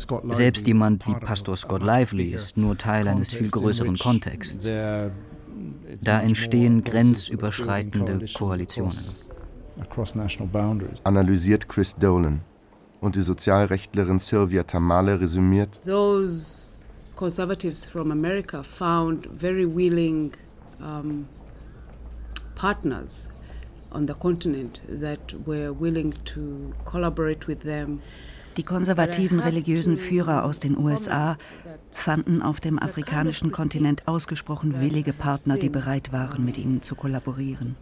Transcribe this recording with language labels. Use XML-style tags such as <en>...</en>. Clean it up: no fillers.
<de>Selbst jemand wie Pastor Scott Lively ist nur Teil eines viel größeren Kontexts. Da entstehen grenzüberschreitende Koalitionen. Analysiert Chris Dolan und die Sozialrechtlerin Sylvia Tamale resümiert:</de> <en>Those conservatives from America found very willing partners on the continent that were willing to collaborate with them.</en> <de>Die konservativen religiösen Führer aus den USA fanden auf dem afrikanischen Kontinent ausgesprochen willige Partner, die bereit waren, mit ihnen zu kollaborieren.</de>